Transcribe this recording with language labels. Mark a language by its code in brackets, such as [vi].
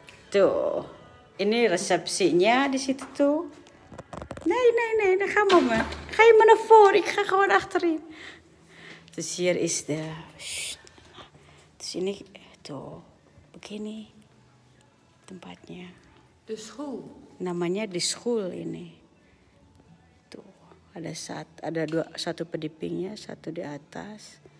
[id] Tuh, ini resepsinya di situ tuh. [nl] Nee, dan gaan we maar. Ga je maar naar voren, ik ga gewoon achterin. Dus hier is de... Dus [id] ini tuh, begini tempatnya. [nl] De school. [id] Namanya di school ini. Tuh, ada satu pendipingnya, satu di atas.